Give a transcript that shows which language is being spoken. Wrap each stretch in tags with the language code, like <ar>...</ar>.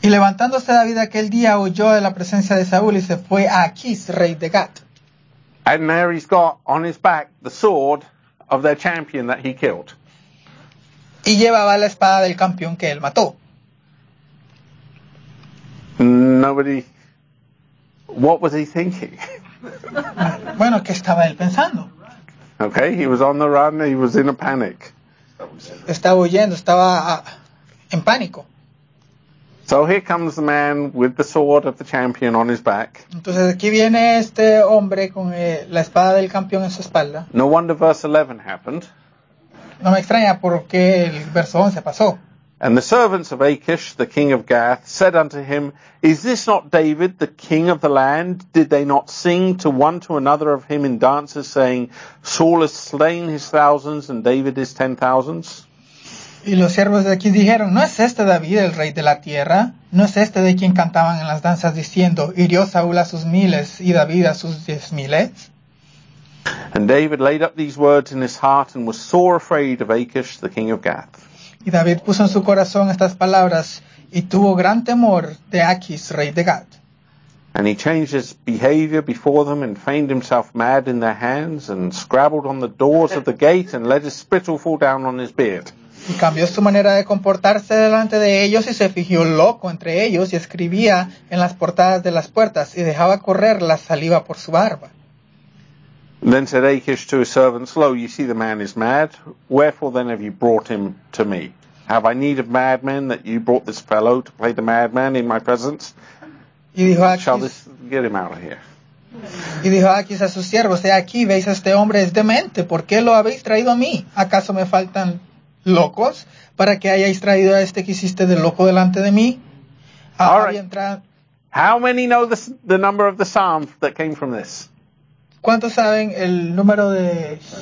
<es>Y levantándose David aquel día, huyó de la presencia de Saúl y se fue a Achis, rey de Gat.</es> <en>And there he's got on his back the sword of their champion that he killed.</en> <es>Y llevaba la espada del campeón que él mató.</es> <en>Nobody. What was he thinking?</en> <es>Bueno, ¿qué estaba él pensando?</es> <en>Okay, he was on the run, he was in a panic.</en> <es>Estaba huyendo, estaba en pánico.</es> <en>So here comes the man with the sword of the champion on his back.</en> <es>Entonces aquí viene este hombre con la espada del campeón en su espalda.</es> <en>No wonder verse 11 happened.</en> <es>No me extraña porque el verso 11 pasó.</es> <en>And the servants of Achish, the king of Gath, said unto him, Is this not David, the king of the land? Did they not sing to one to another of him in dances, saying, Saul has slain his thousands, and David his 10,000s?</en> <es>Y los siervos de aquí dijeron, ¿No es este David, el rey de la tierra? ¿No es este de quien cantaban en las danzas, diciendo, Hirió Saúl a sus miles, y David a sus 10,000s?</es> <en>And David laid up these words in his heart, and was sore afraid of Achish, the king of Gath.</en> <es>Y David puso en su corazón estas palabras y tuvo gran temor de Achis, rey de Gad.</es> <en>And he changed his behavior before them and feigned himself mad in their hands and scrabbled on the doors of the gate and let his spittle fall down on his beard.</en> <es>Y cambió su manera de comportarse delante de ellos y se fingió loco entre ellos y escribía en las portadas de las puertas y dejaba correr la saliva por su barba.</es> <en>Then said Achish to his servants, Lo, you see the man is mad. Wherefore then have you brought him to me? Have I need of madmen that you brought this fellow to play the madman in my presence?</en> <es>Y dijo Achish,</es> <en>Shall this get him out of here?</en> <es>Y dijo Achish a sus siervos, He aquí, veis, este hombre es demente. ¿Por qué lo habéis traído a mí? ¿Acaso me faltan locos para que hayáis traído a este que hiciste de loco delante de mí?</es> <en>All right. How many know the number of the psalm that came from this?</en> <es>¿Cuántos saben el número de?</es>